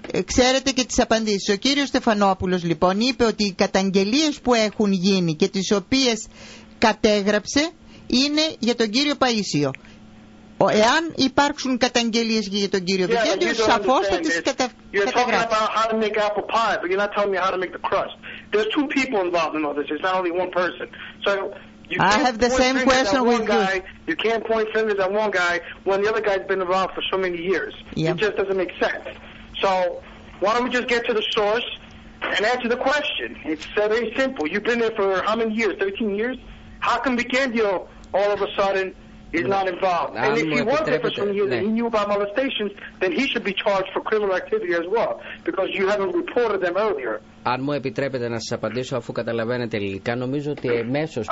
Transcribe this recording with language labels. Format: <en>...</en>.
<el>Ξέρετε και τις απαντήσεις. Ο κύριος Στεφανόπουλος λοιπόν είπε ότι οι καταγγελίες που έχουν γίνει και τις οποίες κατέγραψε είναι για τον κύριο Παΐσιο. Εάν υπάρξουν καταγγελίες για τον κύριο Βικέντιο, σαφώς θα τις καταγράψει.</el> <en>You're talking about how to make apple pie, but you're not telling me how to make the crust. There's two people involved in all this. It's not only one person. So I have the same question with you. You can't point fingers at one guy when the other guy's been involved for so many years. It just doesn't make sense. So why don't we just get to the source and answer the question? It's very simple. You've been there for how many years? 13 years? How come Bicandio all of a sudden is not involved. And if he was a person here that he knew about molestations, then he should be charged for criminal activity as well, because you haven't reported them earlier.</en> <el>Αν μου επιτρέπετε να σας απαντήσω, αφού καταλαβαίνετε υλικά, νομίζω ότι εμέσως</el>